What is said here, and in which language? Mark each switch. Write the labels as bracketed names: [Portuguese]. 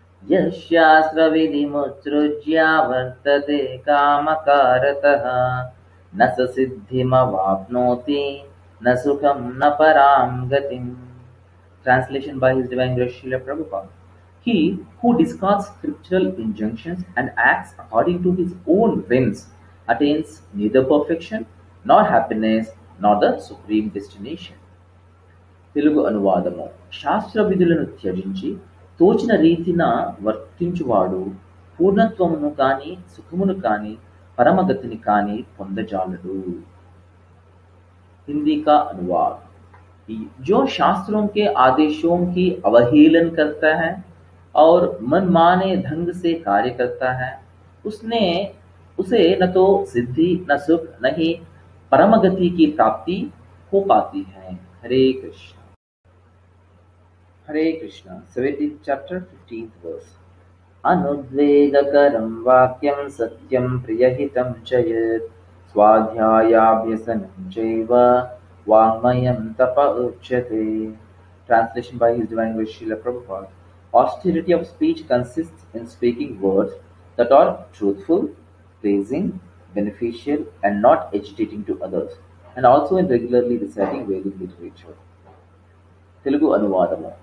[Sanskrit] यस्यास्त्र विधि मुत्रुज्या वर्तते कामकारतः न स सिद्धिम वाप्नोति न सुखम न पराम गति. [English] Translation by his divine grace Srila Prabhupada. He who discards scriptural injunctions and acts according to his own whims attains neither perfection nor happiness nor the supreme destination. [Telugu] Telugu అనువాదము. శాస్త్ర విధులను త్యజించి తోచిన రీతిన వర్తించువాడు పూర్ణత్వమును కాని సుఖమును కాని పరమగతిని కాని పొందజాలడు. [Hindi] हिंदी का अनुवाद. जो शास्त्रों के आदेशों की अवहेलन करता है और मनमाने ढंग से कार्य करता है उसने उसे न तो सिद्धि न सुख न ही परम गति की प्राप्ति हो पाती है. हरे कृष्ण. [English] Hare Krishna 17th chapter 15th verse. [Sanskrit] अनुद्वेगकरं वाक्यं सत्यं प्रियहितं चयेत् స్వాధ్యాయాభ్యసనం చైవ వాంగ్మయం తప ఉచ్యతే. [English] Translation by his divine grace Srila Prabhupada. Austerity of speech consists in speaking words that are truthful pleasing beneficial and not agitating to others and also in regularly reciting Vedic literature. [Telugu] Telugu అనువాదము.